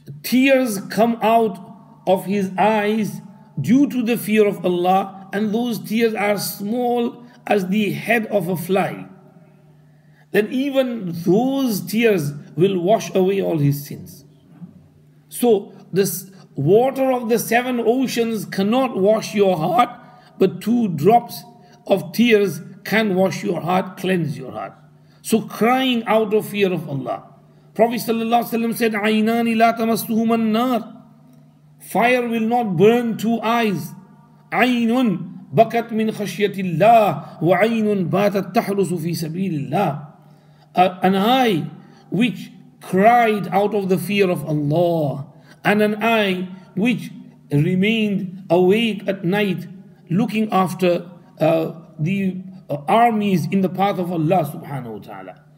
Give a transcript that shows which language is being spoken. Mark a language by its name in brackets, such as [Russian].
[English] tears come out of his eyes due to the fear of Allah, and those tears are small as the head of a fly, then even those tears will wash away all his sins. So this water of the seven oceans cannot wash your heart, but two drops of tears can wash your heart, cleanse your heart. So crying out of fear of Allah. Prophet ﷺ said, [Arabic] عَيْنَانِ لَا تَمَسْتُهُمَ النَّارِ. [English] Fire will not burn two eyes. [Arabic] عَيْنٌ بَكَتْ مِنْ خَشْيَةِ اللَّهِ وَعَيْنٌ بَاتَتْ تَحْرُسُ فِي سَبِيلِ اللَّهِ. [English] An eye which cried out of the fear of Allah, and an eye which remained awake at night looking after the armies in the path of Allah [Arabic] subhanahu wa ta'ala.